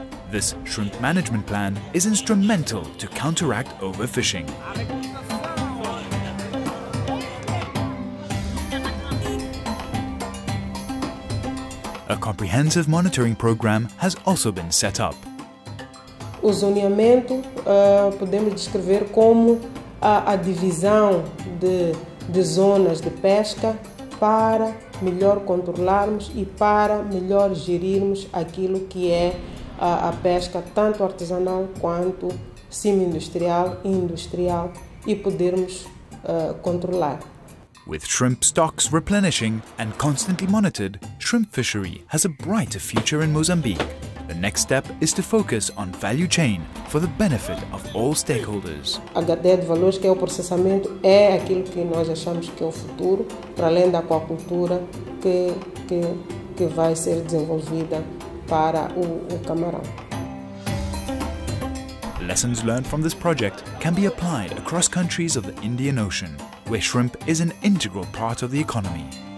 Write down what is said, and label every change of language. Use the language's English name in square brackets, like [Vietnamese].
[English] This shrimp management plan is instrumental to counteract overfishing. A comprehensive monitoring program has also been set up. [Portuguese] O zoneamento podemos descrever como a divisão de zonas de pesca para melhor controlarmos e para melhor gerirmos aquilo que é a pesca, tanto artesanal quanto semi-industrial e industrial, e podermos controlar. [English] With shrimp stocks replenishing and constantly monitored, shrimp fishery has a brighter future in Mozambique. The next step is to focus on value chain for the benefit of all stakeholders. [Portuguese] A cadeia de valores, que é o processamento, é aquilo que nós achamos que é o futuro, para além da aquacultura que vai ser desenvolvida para o camarão. [English] Lessons learned from this project can be applied across countries of the Indian Ocean, where shrimp is an integral part of the economy.